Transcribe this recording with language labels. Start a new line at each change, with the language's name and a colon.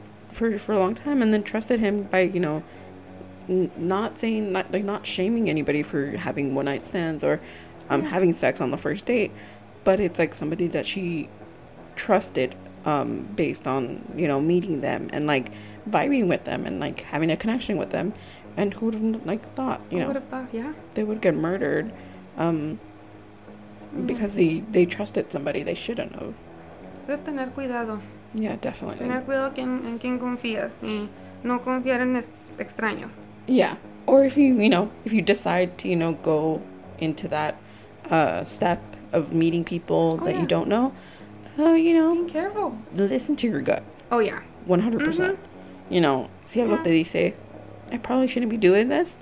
English: for a long time, and then trusted him by, you know, not shaming anybody for having one night stands or having sex on the first date, but it's like somebody that she trusted based on, you know, meeting them and like vibing with them and like having a connection with them. And who would have like thought, you know, would have thought they would get murdered because they trusted somebody they shouldn't have.
Spanish: Tener cuidado.
English: Yeah, definitely.
Spanish: Tener cuidado en quien confías y no confiar en extraños.
English: Yeah. Or if you, you know, if you decide to, you know, go into that step of meeting people you don't know, you know. Be careful. Listen to your gut. Oh, yeah. 100%. Mm-hmm. You know,
Spanish: si algo te dice,
English: I probably shouldn't be doing this.